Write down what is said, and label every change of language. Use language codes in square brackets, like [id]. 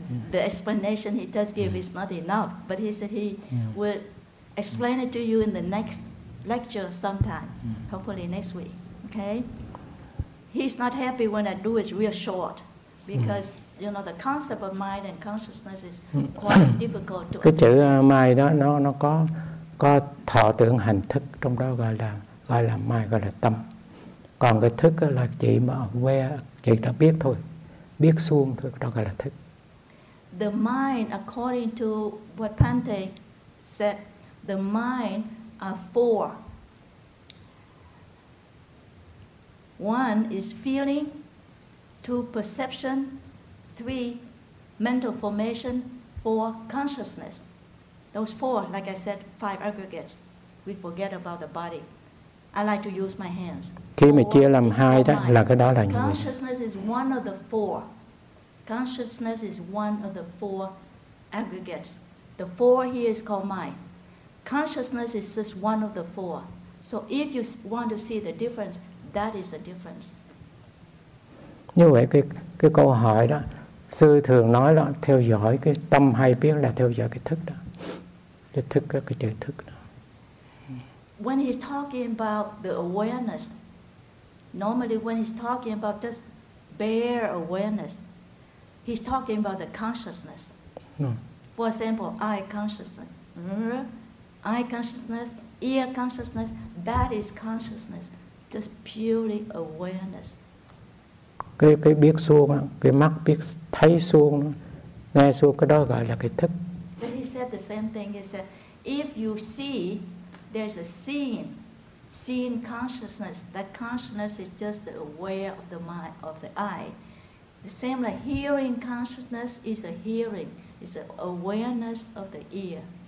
[en] The explanation he does give is not enough, but he said he will explain it to you in the next lecture sometime, hopefully next week. Okay? He's not happy when I do it real short, because you know the concept of mind and consciousness is quite difficult to [vi] understand. Cái chữ mind đó nó có thọ tưởng hành thức trong đó gọi là mind, gọi là tâm. Còn cái thức là chỉ mà aware, chỉ đã biết thôi, biết suông thôi, đó gọi là thức. [en] The mind, according to what Bhante said, the mind are four. One is feeling, two perception, three mental formation, four consciousness. Those four, like I said, five aggregates. We forget about the body. I like to use my hands. [vi] Khi mà chia làm hai đó, là cái đó là [en] nhiều. Consciousness is one of the four. Consciousness is one of the four aggregates. The four here is called mind. Consciousness is just one of the four. So if you want to see the difference, that is the difference. [vi] Như vậy cái câu hỏi đó, sư thường nói là theo dõi cái tâm hay biết là theo dõi cái thức đó. Cái thức, cái chữ thức đó. [en] When he's talking about the awareness, normally when he's talking about just bare awareness, he's talking about the consciousness. For example, eye consciousness. Eye consciousness, ear consciousness, that is consciousness. Just purely awareness. [vi] Cái biết suông, cái mắt biết thấy suông, nghe suông, cái đó gọi là cái thức. [en] But he said the same thing. He said, if you see, there's a seeing consciousness, that consciousness is just the aware of the mind, of the eye. The same like hearing consciousness is a hearing, it's an awareness of the ear.